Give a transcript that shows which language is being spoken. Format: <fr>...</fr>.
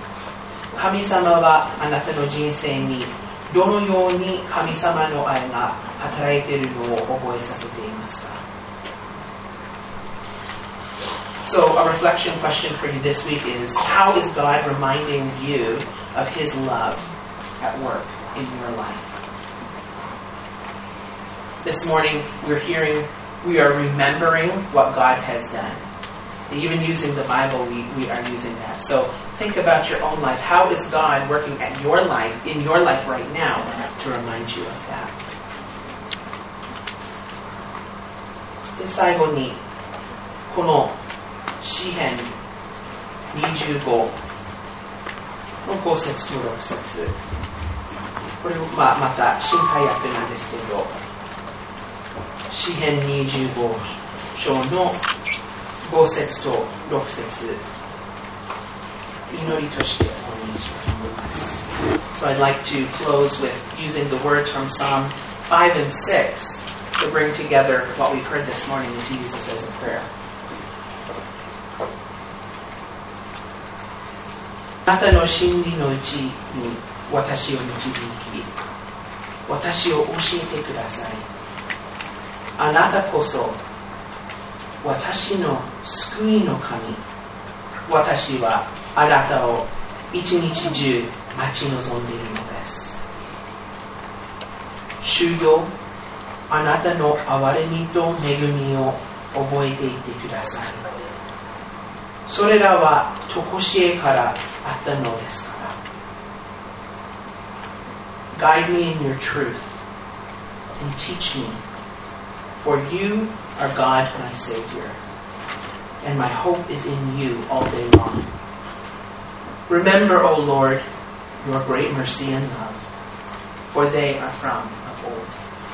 <ja>で、今週この質問があります。神様はあなたの人生にどのように神様の愛が働いているのを覚えさせていますか？神様はあなたの人生に どのように神様の愛が働いているのを覚えさせていますか?</ja> <en>So a reflection question for you this week is, how is God reminding you of his love at work in your life? This morning, we're hearing, we are remembering what God has done. Even using the Bible, we are using that. So think about your own life. How is God working at your life, in your life right now, to remind you of that?</en> <ja>で、最後に、この詩編25の5節と6節。これは また新改訳なんですけど、詩編25章の5節と6節、祈りとしてお願いします。</ja> <en>So I'd like to close with using the words from Psalm 5 and 6 to bring together what we've heard this morning and to use this as a prayer.</en> <ja>あなたの真理のうちに私を導き、私を教えてください。あなたこそ私の救いの神。私はあなたを一日中待ち望んでいるのです。主よ、あなたの憐れみと恵みを覚えていてください。それらは常しえからあったのですから。</ja> <en>Guide me in your truth and teach me. For you are God my Savior, and my hope is in you all day long. Remember, O Lord, your great mercy and love, for they are from of old.</en>